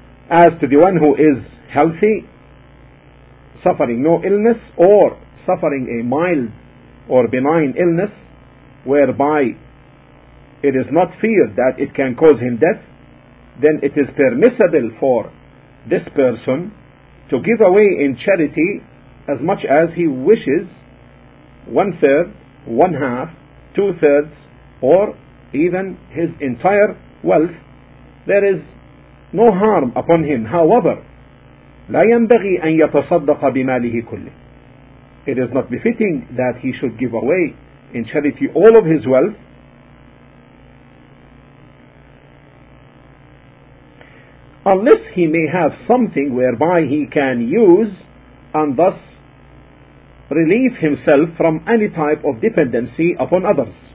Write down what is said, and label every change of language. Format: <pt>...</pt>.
<en>As to the one who is healthy, suffering no illness, or suffering a mild or benign illness, whereby it is not feared that it can cause him death, then it is permissible for this person to give away in charity as much as he wishes, one third, one half, two thirds, or even his entire wealth. There is no harm upon him. However,</en> <ar>لا ينبغي أن يتصدق بماله كله.</ar> <en>It is not befitting that he should give away in charity all of his wealth. Unless he may have something whereby he can use and thus relieve himself from any type of dependency upon others.</en>